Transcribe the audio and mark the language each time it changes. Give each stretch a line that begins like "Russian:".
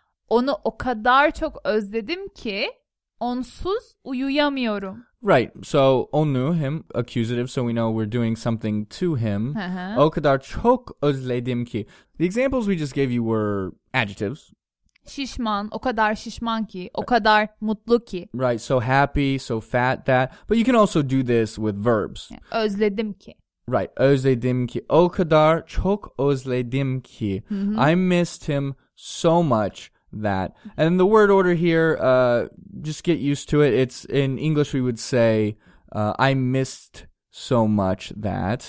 Turkish: Onu o kadar çok özledim ki onsuz uyuyamıyorum.
English: Right. So onu, him, accusative. So we know we're doing something to him. Uh-huh.
Turkish: O kadar çok özledim ki.
English: The examples we just gave you were adjectives.
Turkish: Şişman, o kadar şişman ki, o kadar mutlu ki.
English: Right, so happy, so fat, that. But you can also do this with verbs.
Turkish: Yeah, özledim ki. Right, özledim ki. O kadar çok özledim ki. Mm-hmm.
English: I missed him so much that. And the word order here, just get used to it. It's in English we would say, I missed so much that.